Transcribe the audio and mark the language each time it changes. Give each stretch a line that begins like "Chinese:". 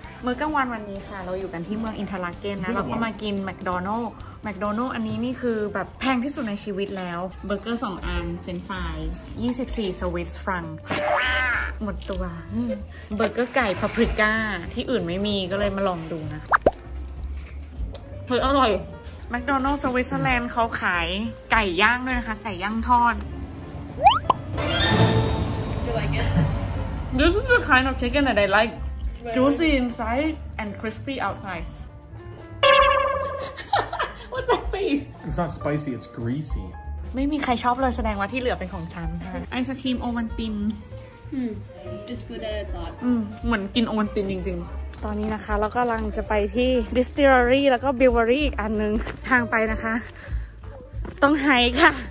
Thai: มื้อกลางวันวันนี้ค่ะเราอยู่กันที่เมืองอินทราเกนนะเราก็มากินแมคโดนัลด์อันนี้นี่คือแบบแพงที่สุดในชีวิตแล้วเบอร์เกอร์2อันเฟรนช์ฟราย24สวิสฟรังหมดตัวเบอร์เกอร์ไก่พาปริก้าที่อื่นไม่มีก็เลยมาลองดูนะเฮ้ยอร่อยแมคโดนัลด์สวิตเซอร์แลนด์เขาขายไก่ย่างด้วยนะคะไก่ย่างทอด
English: Do you like it? This is the kind of chicken that I like juicy inside and crispy outsideWhat's that face? It's not spicy, it's greasy.
Thai: ไม่มีใครชอบเลยแสดงว่าที่เหลือเป็นของฉันค่ะไอศกรีมโอวัลติน
English: it's good as God.
Thai: เหมือนกินโอวัลตินจริงๆตอนนี้นะคะเรากำลังจะไปที่ distillery แล้วก็ brewery อีกอันนึงทางไปนะคะต้องไฮค่ะ